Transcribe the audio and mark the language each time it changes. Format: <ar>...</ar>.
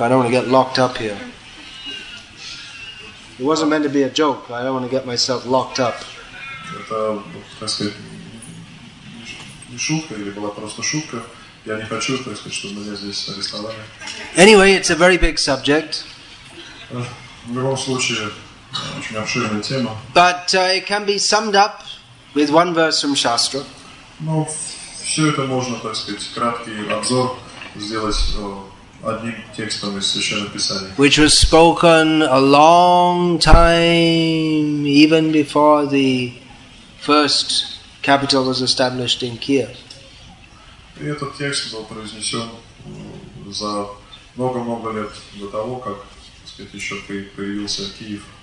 <en>I don't want to get locked up here. It wasn't meant to be a joke. I don't want to get myself locked up.</en> <ru>Это, так сказать, шутка или была просто шутка. Я не хочу, так сказать, чтобы меня здесь арестовали.</ru> <en>Anyway, it's a very big subject.</en> <ru>В любом случае, очень обширная тема.</ru> <en>But it can be summed up with one verse from Shastra.</en> <ru>Ну, все это можно, так сказать, краткий обзор сделать одним текстом из Священного Писания.</ru> <en>Which was spoken a long time, even before the first capital was established in Kiev.</en> <ru>И этот текст был произнесен за много-много лет до того, как, так сказать, еще появился Киев.</ru>